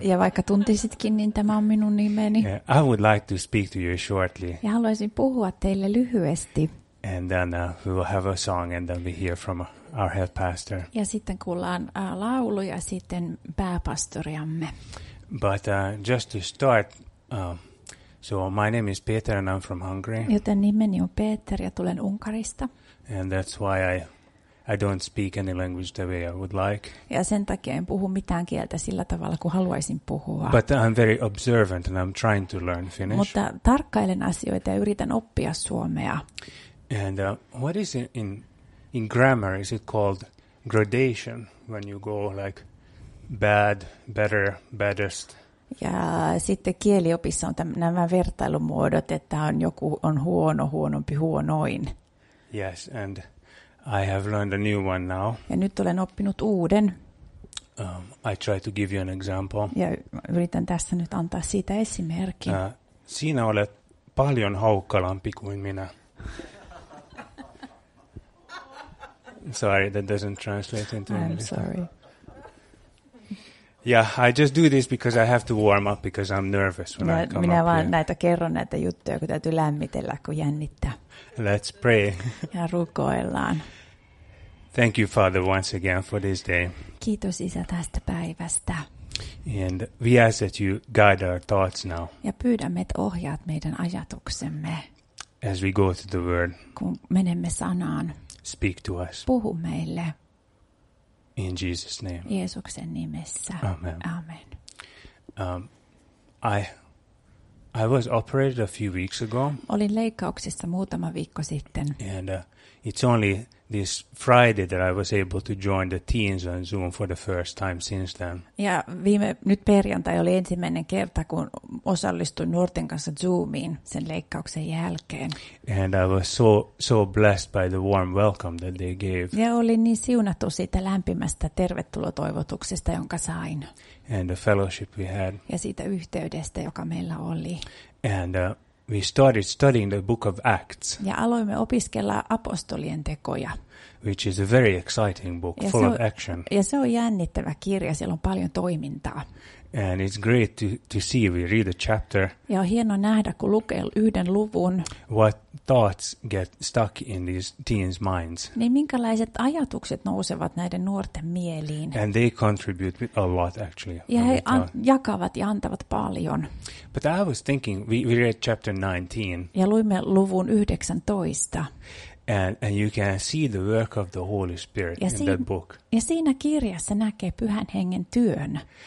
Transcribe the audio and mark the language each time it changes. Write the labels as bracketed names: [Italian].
[Finnish] Ja vaikka tuntisitkin, niin tämä on minun nimeni. [English] Yeah, I would like to speak to you shortly. [Finnish] Ja haluaisin puhua teille lyhyesti. [English] And then we will have a song and then we hear from our head pastor. [Finnish] Ja sitten kuullaan laulu ja sitten pääpastoriamme. [English] But just to start, so my name is Peter and I'm from Hungary. [Finnish] Joten nimeni on Peter ja tulen Unkarista. [English] And that's why I don't speak any language the way I would like. [Finnish] Ja sen takia en puhu mitään kieltä sillä tavalla kuin haluaisin puhua. [English] But I'm very observant and I'm trying to learn Finnish. [Finnish] Mutta tarkkailen asioita ja yritän oppia suomea. [English] And what is it in grammar, is it called gradation when you go like bad, better, baddest? [Finnish] Ja sitten kieliopissa on nämä vertailumuodot, että on joku on huono, huonompi, huonoin. [English] Yes, and I have learned a new one now. [Finnish] Ja nyt olen oppinut uuden. [English] I try to give you an example. [Finnish] Ja yritän tässä nyt antaa siitä esimerkin. Sinä olet paljon haukkalampi kuin minä. [English] Sorry, that doesn't translate into English. I'm sorry. Yeah, I just do this because I have to warm up because I'm nervous when I come up. [Finnish] Minä vaan näitä kerron näitä juttuja, kun täytyy lämmitellä, kun jännittää. [English] Let's pray. [Finnish] Ja rukoillaan. [English] Thank you, Father, once again for this day. [Finnish] Kiitos, Isä, tästä päivästä. [English] And we ask that you guide our thoughts now. [Finnish] Ja pyydämme, että ohjaat meidän ajatuksemme. [English] As we go to the Word. [Finnish] Kun menemme sanaan. [English] Speak to us. [Finnish] Puhu meille. [English] In Jesus' name. [Finnish] Jeesuksen nimessä. [English] Amen. [Finnish] Amen. [English] I was operated a few weeks ago. [Finnish] Olin leikkauksessa muutama viikko sitten. [English] And it's only this Friday that I was able to join the teens on Zoom for the first time since then. [Finnish] Ja nyt perjantai oli ensimmäinen kerta, kun osallistuin nuorten kanssa Zoomiin sen leikkauksen jälkeen. [English] And I was so blessed by the warm welcome that they gave. [Finnish] Ja olin niin siunattu siitä lämpimästä tervetulotoivotuksesta, jonka sain. [English] And the fellowship we had. [Finnish] Ja siitä yhteydestä, joka meillä oli. [English] And we started studying the book of Acts. [Finnish] Ja aloimme opiskella apostolien tekoja. [English] Which is a very exciting book, full of action. [Finnish] Ja se on jännittävä kirja, siellä on paljon toimintaa. [English] And it's great to see we read a chapter. [Finnish] Ja on hienoa nähdä, kun lukee yhden luvun. [English] What thoughts get stuck in these teens' minds. [Finnish] Niin minkälaiset ajatukset nousevat näiden nuorten mieliin. [English] And they contribute with a lot, actually. [Finnish] Ja he jakavat ja antavat paljon. [English] But I was thinking, we read chapter 19. [Finnish] Ja luimme luvun 19. [English] And you can see the work of the Holy Spirit in that book. [Finnish] Ja siinä kirjassa näkee Pyhän Hengen työn.